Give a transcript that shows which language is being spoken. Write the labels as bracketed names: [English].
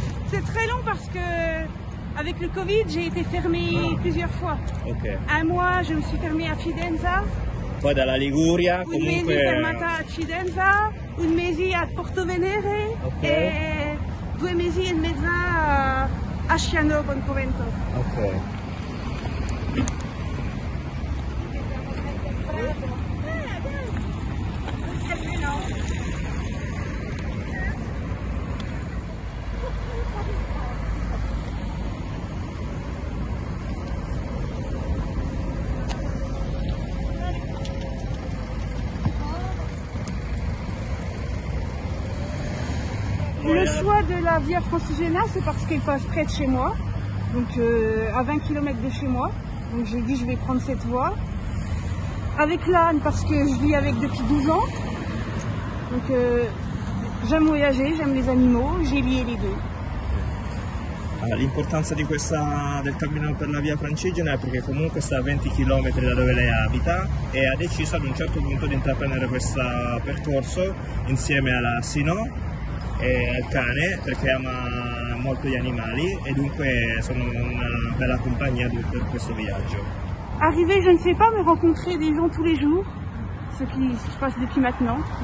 [French] C'est très long parce que avec le Covid, j'ai été fermée plusieurs fois. Okay. Un mois, je me suis fermée à Fidenza. [Italian] Poi dalla Liguria, comunque. Un mese fermata a Fidenza, un mese a Porto Venere, okay. E due mesi e mezzo a Sciano Bonfovento. Ok. [French] Le choix de la Via Francigena, c'est parce qu'elle passe près de chez moi, donc à 20 km de chez moi. Donc j'ai dit je vais prendre cette voie. Avec l'âne, parce que je vis avec depuis 12 ans. Donc j'aime voyager, j'aime les animaux, j'ai lié les deux. [Italian] Allora, l'importanza di questa, del cammino per la Via Francigena è perché comunque sta a 20 km da dove lei abita e ha deciso ad un certo punto di intraprendere questo percorso insieme alla Sino. E al cane, perché ama molto gli animali e dunque sono una bella compagnia per questo viaggio. [French] Arrivé, je ne sais pas, mais rencontrer des gens tous les jours, ce qui se passe depuis maintenant.